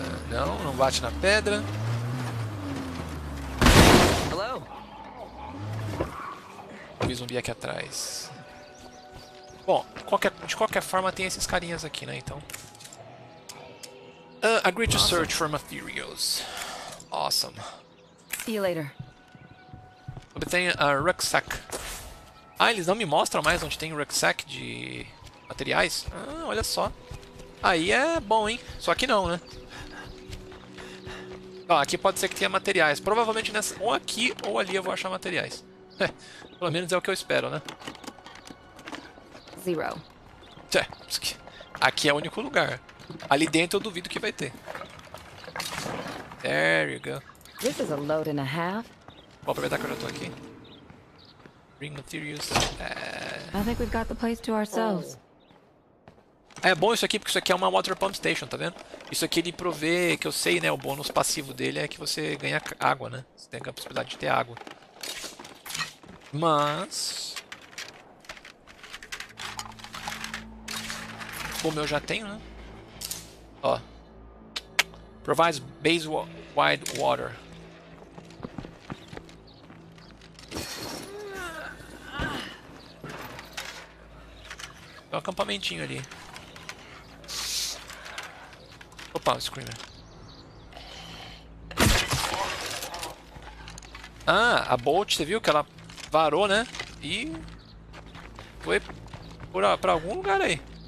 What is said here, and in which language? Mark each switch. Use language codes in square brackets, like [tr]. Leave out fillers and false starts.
[pt] Não, não bate na pedra. aquele zumbi aqui atrás. Bom, de qualquer forma tem esses carinhas aqui, né, então. [en] Agree to search for materials. Awesome. See you later. [pt] Obtenha a rucksack. Ah, eles não me mostram mais onde tem rucksack de materiais? Ah, olha só. Aí é bom, hein? Só que não, né? Ó, aqui pode ser que tenha materiais. Provavelmente nessa, ou aqui ou ali eu vou achar materiais. Pelo menos é o que eu espero, né? Zero. É, aqui é o único lugar. Ali dentro eu duvido que vai ter. [en] There you go. This is a load and a half. [pt] Vou aproveitar que eu já tô aqui. [en] Bring materials. I think we've got the place to ourselves. [pt] É bom isso aqui, porque isso aqui é uma water pump station, tá vendo? Isso aqui ele provê, que eu sei, né, o bônus passivo dele é que você ganha água, né? Você tem a possibilidade de ter água. Mas... como eu já tenho, né? Ó. [en] Provides base wide water. [pt] Tem um acampamentinho ali. Opa, o Screamer. Ah, a Bolt, você viu que ela varou, né? E foi pra algum lugar aí.